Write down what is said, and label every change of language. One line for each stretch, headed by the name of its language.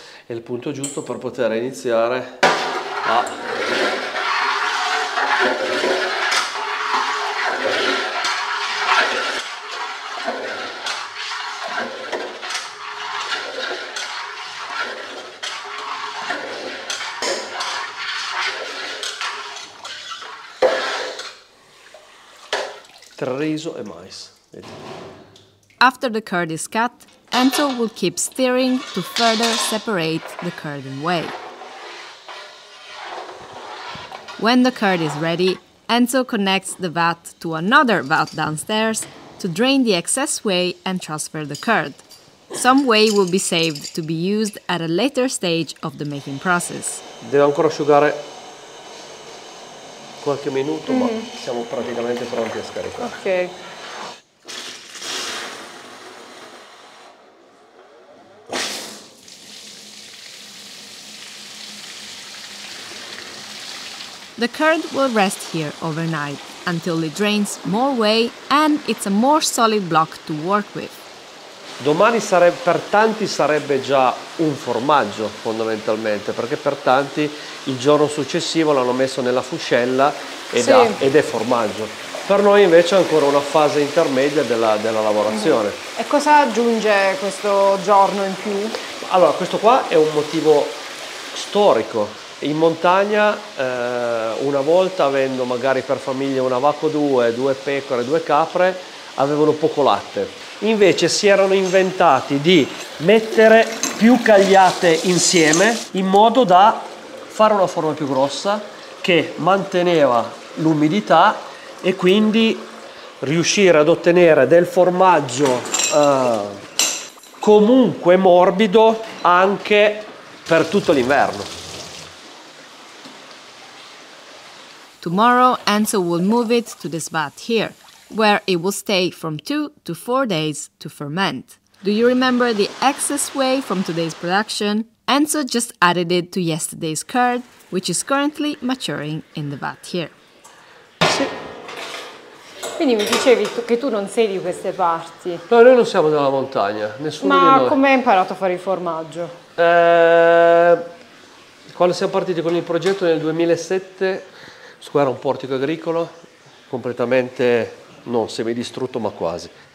Italian: È il punto giusto per poter iniziare a riso e mais.
English: After the curd is cut, Anto will keep stirring to further separate the curd in whey. When the curd is ready, Anto connects the vat to another vat downstairs to drain the excess whey and transfer the curd. Some whey will be saved to be used at a later stage of the making process.
Italian: Devo ancora asciugare qualche minuto, ma siamo praticamente pronti a scaricare. Ok.
English: The curd will rest here overnight until it drains more whey and it's a more solid block to work with.
Italian: Domani sarebbe, per tanti sarebbe già un formaggio fondamentalmente, perché per tanti il giorno successivo l'hanno messo nella fuscella ed è formaggio. Per noi invece è ancora una fase intermedia della lavorazione. Mm-hmm. E cosa aggiunge questo giorno in più? Allora, questo qua è un motivo storico. In montagna, una volta, avendo magari per famiglia una vacca o due pecore, due capre, avevano poco latte. Invece si erano inventati di mettere più cagliate insieme in modo da fare una forma più grossa che manteneva l'umidità e quindi riuscire ad ottenere del formaggio comunque morbido anche per tutto l'inverno.
English: Tomorrow Anto will move it to this vat here, where it will stay from 2 to 4 days to ferment. Do you remember the excess whey from today's production? Anto just added it to yesterday's curd, which is currently maturing in the vat here.
Italian: Sì. Quindi mi dicevi che tu non sei di queste parti. No, noi non siamo della montagna, nessuno. Ma di noi. Come hai imparato a fare il formaggio? Quando siamo partiti con il progetto nel 2007, era un portico agricolo, completamente non semidistrutto ma quasi.